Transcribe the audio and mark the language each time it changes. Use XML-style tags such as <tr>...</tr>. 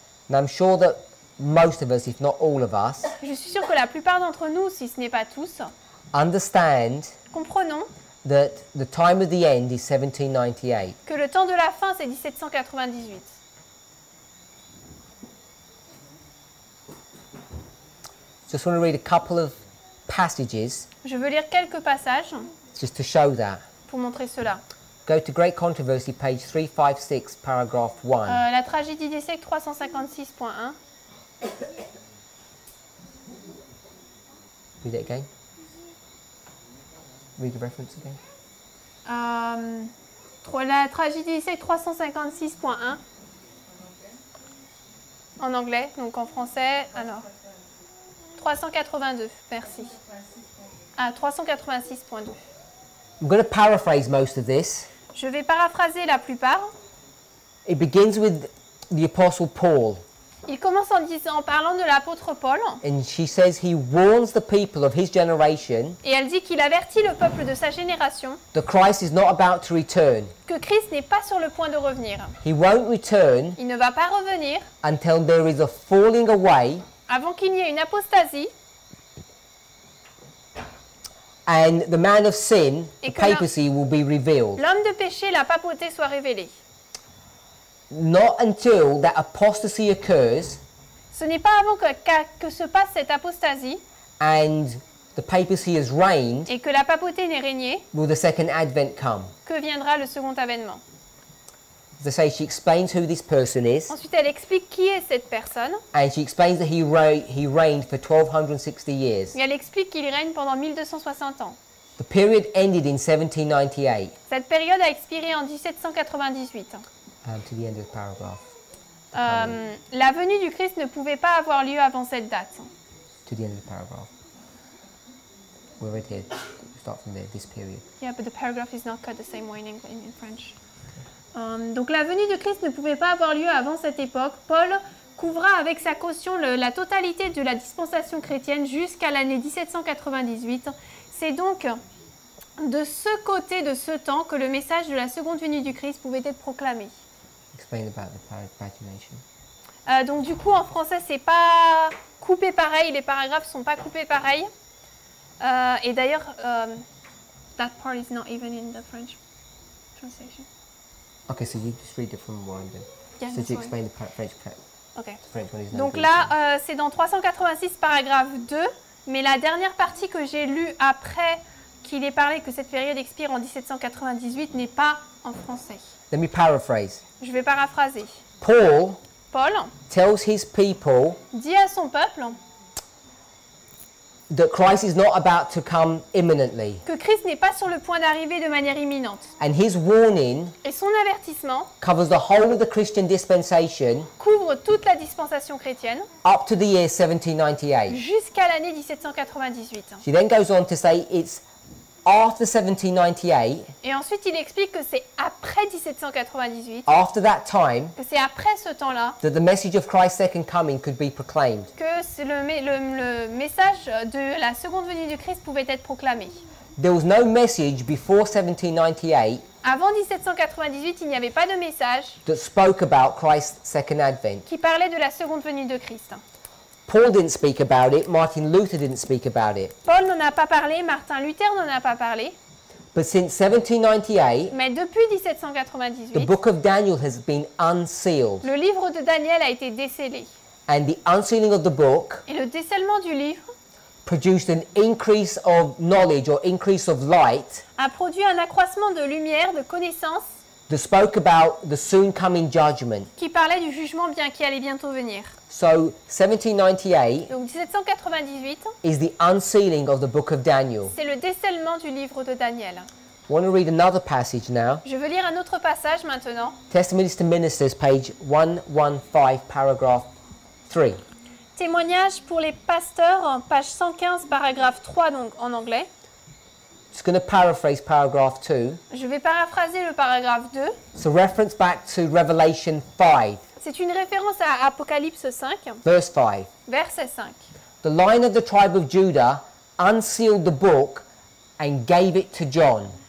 <en>And I'm sure that most of us, if not all of us.</en> <fr>Je suis sûre que la plupart d'entre nous, si ce n'est pas tous.</fr> <en>Understand.</en> <fr>Comprenons.</fr> <en>That the time of the end is 1798.</en> <fr>Que le temps de la fin c'est 1798.</fr> <en>Just want to read a couple of passages.</en> <fr>Je veux lire quelques passages.</fr> <en>Just to show that.</en> <fr>Pour montrer cela.</fr> <en>Go to Great Controversy, page 356, paragraph 1.</en> <fr>La tragédie des siècles 356.1.</fr> <en>Read it again. Read the reference again.</en> <fr>La tragédie c'est 356.1 en anglais, donc en français, alors 382, merci. Ah, 386.2.</fr> <en>I'm going to paraphrase most of this.</en> <fr>Je vais paraphraser la plupart.</fr> <en>It begins with the Apostle Paul.</en> <fr>Il commence en disant, en parlant de l'apôtre Paul.</fr> <en>And she says he warns the people of his generation.</en> <fr>Et elle dit qu'il avertit le peuple de sa génération.</fr> <en>The Christ is not about to return.</en> <fr>Que Christ n'est pas sur le point de revenir.</fr> <en>He won't return.</en> <fr>Il ne va pas revenir.</fr> <en>Until there is a falling away.</en> <fr>Avant qu'il n'y ait une apostasie.</fr> <en>And the man of sin, the papacy, will be revealed.</en> <fr>L'homme de péché, la papauté, soit révélée.</fr> <en>Not until that apostasy occurs.</en> <fr>Ce n'est pas avant que se passe cette apostasie.</fr> <en>And the papacy has reigned.</en> <fr>Et que la papauté n'est régnée.</fr> <en>Will the second advent come?</en> <fr>Que viendra le second avènement?</fr> <en>As I say, she explains who this person is.</en> <fr>Ensuite, elle explique qui est cette personne.</fr> <en>And she explains that he reigned for 1260 years.</en> <fr>Et elle explique qu'il règne pendant 1260 ans.</fr> <en>The period ended in 1798.</en> <fr>Cette période a expiré en 1798.</fr> <en>To the end of the paragraph.</en> <fr>La venue du Christ ne pouvait pas avoir lieu avant cette date.</fr> <en>To the end of the paragraph. We're right here. Start from there, this period. Yeah, but the paragraph is not cut the same way in French.</en> <fr>Donc la venue du Christ ne pouvait pas avoir lieu avant cette époque. Paul couvra avec sa caution la totalité de la dispensation chrétienne jusqu'à l'année 1798. C'est donc de ce côté de ce temps que le message de la seconde venue du Christ pouvait être proclamé.</fr> <en>Explain about the pagination.</en> <fr>Donc du coup en français c'est pas coupé pareil, les paragraphes sont pas coupés pareil. Et d'ailleurs</fr> <en>that part is not even in the French translation. Okay, so you just read it from one then. Yeah, so you explain the French. Okay. French one is not.</en> <fr>Donc là c'est dans 386 paragraphe 2, mais la dernière partie que j'ai lue après qu'il ait parlé que cette période expire en 1798 n'est pas en français.</fr> <en>Let me paraphrase.</en> <fr>Je vais paraphraser.</fr> <en>Paul tells his people,</en> <fr>dit à son peuple,</fr> <en>that Christ is not about to come imminently.</en> <fr>Que Christ n'est pas sur le point d'arriver de manière imminente.</fr> <en>And his warning,</en> <fr>et son avertissement,</fr> <en>covers the whole of the Christian dispensation,</en> <fr>couvre toute la dispensation chrétienne,</fr> <en>up to the year 1798.</en> <fr>Jusqu'à l'année 1798.</fr> <en>She then goes on to say it's after 1798.</en> <fr>Et ensuite il explique que c'est après 1798.</fr> <en>After that time.</en> <fr>Que c'est après ce temps-là.</fr> <en>That the message of Christ's second coming could be proclaimed.</en> <fr>Que c'est le message de la seconde venue du Christ pouvait être proclamé.</fr> <en>There was no message before 1798.</en> <fr>Avant 1798, il n'y avait pas de message.</fr> <en>That spoke about Christ's second advent.</en> <fr>Qui parlait de la seconde venue de Christ.</fr> <en>Paul didn't speak about it. Martin Luther didn't speak about it.</en> <fr>Paul n'en a pas parlé. Martin Luther n'en a pas parlé.</fr> <en>But since 1798,</en> <fr>mais depuis 1798,</fr> <en>the book of Daniel has been unsealed.</en> <fr>Le livre de Daniel a été décellé.</fr> <en>And the unsealing of the book,</en> <fr>et le décellement du livre,</fr> <en>produced an increase of knowledge or increase of light,</en> <fr>a produit un accroissement de lumière, de connaissance,</fr> <en>that spoke about the soon coming judgment,</en> <fr>qui parlait du jugement bien qui allait bientôt venir.</fr> <en>So 1798,</en> <fr>donc 1798,</fr> <en>is the unsealing of the book of Daniel.</en> <fr>C'est le décellement du livre de Daniel.</fr> <en>Want to read another passage now?</en> <fr>Je veux lire un autre passage maintenant.</fr> <en>Testimonies to Ministers, page 115, paragraph 3.</en> <fr>Témoignage pour les pasteurs, page 115, paragraphe 3, donc en anglais.</fr> <en>Just going to paraphrase paragraph 2.</en> <fr>Je vais paraphraser le paragraphe 2.</fr> <en>So reference back to Revelation 5.</en> <fr>C'est une référence à Apocalypse 5.</fr> <en>Verse 5.</en> <fr>Verset 5.</fr> <en>The line of the tribe of Judah unsealed the book and gave it to John.</en>